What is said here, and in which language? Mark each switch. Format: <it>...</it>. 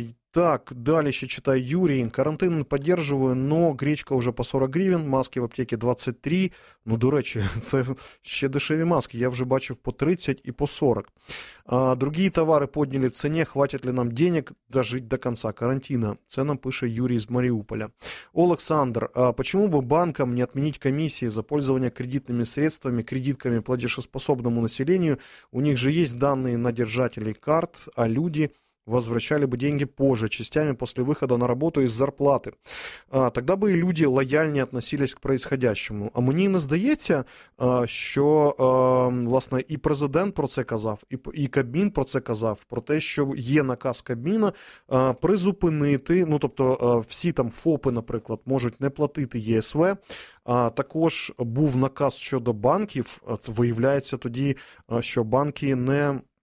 <uk>Так, далі ще читає Юрій, карантин підтримую, но гречка вже по 40 гривен, маски в аптеці 23, ну, до речі, це ще дешеві маски, я вже бачив по 30 і по 40. Другі товари підняли в ціні,</uk> <ru>хватить ли нам денег</ru> <uk>дожити до кінця карантину? Це нам пише Юрій з Маріуполя. Олександр, чому б банкам не відмінити комісії за користування кредитними средствами, кредитками платіжоспособному населенню? У них же є дані</uk> <ru>на держателей карт, а люди возвращали бы деньги позже, частями после выхода на работу из зарплаты. Тогда бы и люди лояльнее относились к происходящему.</ru> <uk>А мне не здається, що, власне, і президент про це казав, і Кабмін про це казав, про те, що є наказ Кабміна призупинити, ну, тобто всі там ФОПи, наприклад, можуть не платити ЄСВ. Також був наказ щодо банків, це виявляється тоді, що банки не...</uk>